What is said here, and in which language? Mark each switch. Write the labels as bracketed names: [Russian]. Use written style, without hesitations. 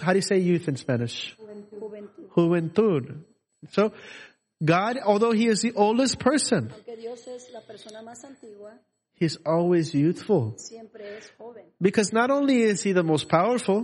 [English] How do you say youth in Spanish? [Spanish] Juventud. Juventud. [English] So, God, although He is the oldest person, [Spanish] aunque Dios es la persona más antigua, [English] He's always youthful. [Spanish] Siempre es joven. [English] Because not only is He the most powerful,